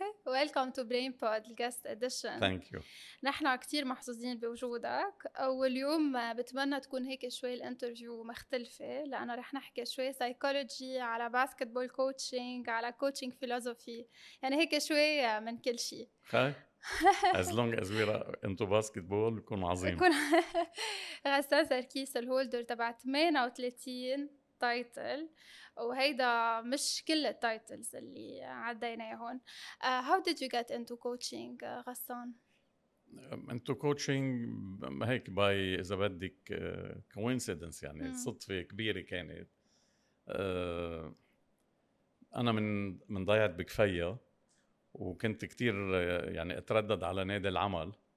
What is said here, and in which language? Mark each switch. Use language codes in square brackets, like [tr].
[en] Welcome to Brain Pod, guest edition. Thank you. [ar] نحن كتير محظوظين بوجودك. واليوم بتمنى تكون هيك شوي الانترفيو مختلفة لأنه رح نحكي شوي psychology على basketball coaching على coaching philosophy. يعني هيك شوي من كل شيء. [en] As long as we are into basketball, [ar] يكون عظيم. غسان ساركيس الهولدر تبع 38 تايتل وهيدا مش كل التايتلز اللي عدينا هون. [en] How did you get into coaching, Ghassan? Into coaching [ar] هيك باي إذا بدك coincidence يعني صدفة كبيرة كانت. أنا من ضيعة بكفية وكنت كتير يعني اتردد على نادي العمل.